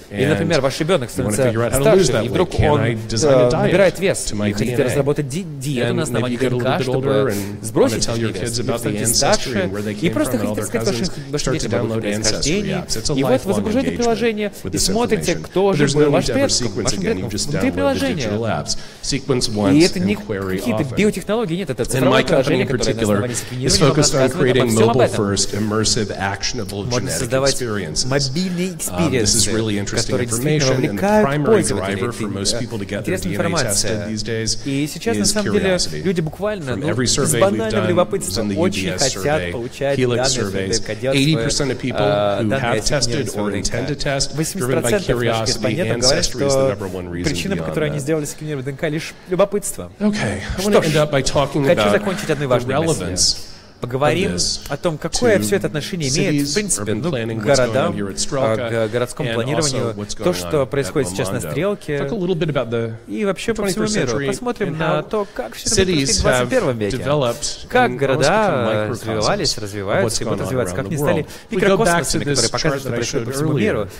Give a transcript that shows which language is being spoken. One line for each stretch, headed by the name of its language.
Russian: И, например, ваш ребенок становится старше, и вдруг он набирает вес, и хотите разработать диету на основании ДНК, чтобы сбросить этот вес, и становитесь старше, и просто хотите рассказать вашим детям об их происхождении, и вот вы загружаете приложение, и смотрите, кто же был ваш предком, вашим предком, внутри приложения. И это не какие-то биотехнологии, нет, это цифровое приложение, которое на основании сквенирования рассказывает обо всем об этом. Можно создавать мобильный эксперимент,
English: This is really interesting information, and the primary driver for most people to get their DNA tested these days is curiosity. From every survey we've done, it's in the UBS survey, Helix surveys, 80% of people who have tested or intend to test, driven by curiosity, ancestry is the number one reason.
Russian: Причина, по которой они сделали секвенирование ДНК, лишь любопытство.
English: Okay, I want to end up by talking about the relevance.
Russian: Поговорим о том, какое все это отношение имеет, в принципе, ну, к городам, к городскому планированию, то, что происходит сейчас на Стрелке, и вообще по всему миру. Посмотрим на то, как все это происходит в 21 веке, как города развивались, развиваются, и будут развиваться, как они стали микрокосмосами, которые показывают, что происходит по всему миру.